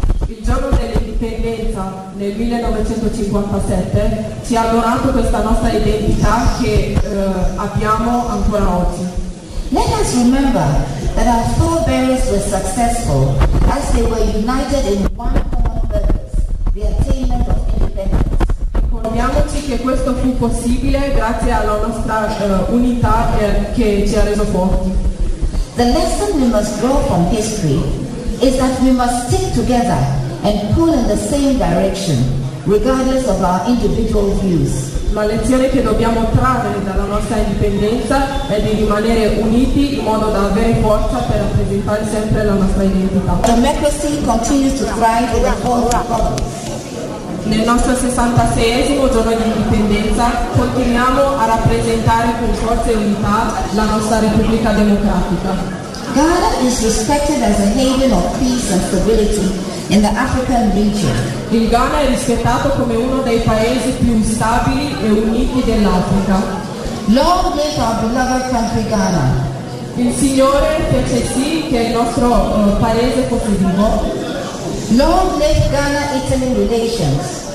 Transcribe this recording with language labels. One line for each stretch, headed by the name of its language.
Italian: Il giorno dell'indipendenza nel 1957 ci ha donato questa nostra identità che abbiamo ancora oggi.
English: Let us remember that our forebears were successful as they were united in one common purpose, the attainment of independence.
Italian: Ricordiamoci che questo fu possibile grazie alla nostra unità che ci ha reso forti.
English: The lesson we must draw from history is that we must stick together and pull in the same direction, regardless of our individual views.
Italian: La lezione che dobbiamo trarre dalla nostra indipendenza è di rimanere uniti in modo da avere forza per rappresentare sempre la nostra identità.
English: Democracy continues to thrive in the whole world.
Italian: Nel nostro 66esimo giorno di indipendenza continuiamo a rappresentare con forza e unità la nostra Repubblica Democratica.
English: Ghana is respected as a haven of peace and stability in the African region.
Italian: Il Ghana è rispettato come uno dei paesi più stabili e uniti dell'Africa.
English: Long live our beloved country Ghana.
Italian: Il Signore fece sì che il nostro paese fosse vivo.
English: Long live Ghana-Italy relations.